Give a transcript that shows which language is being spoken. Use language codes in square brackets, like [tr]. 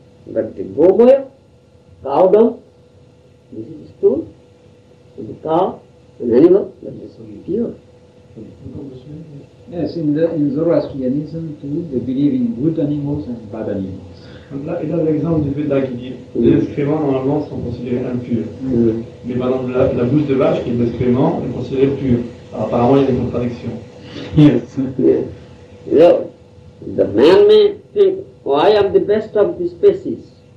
[en] But the gobaya, cow dung, this is a stool, and the cow, an animal, that is impure. Yes, in Zoroastrianism too, they believe in good animals and bad animals. [fr] Et là, l'exemple du Veda qui dit les excréments normalement sont considérés impurs. Mm-hmm. Mais par exemple, la bouse de vache qui est d'excréments est considérée pure. Alors, apparemment, il y a des contradictions. [en] Yes. Yes. You know, the man may think, oh, I am the best of the species.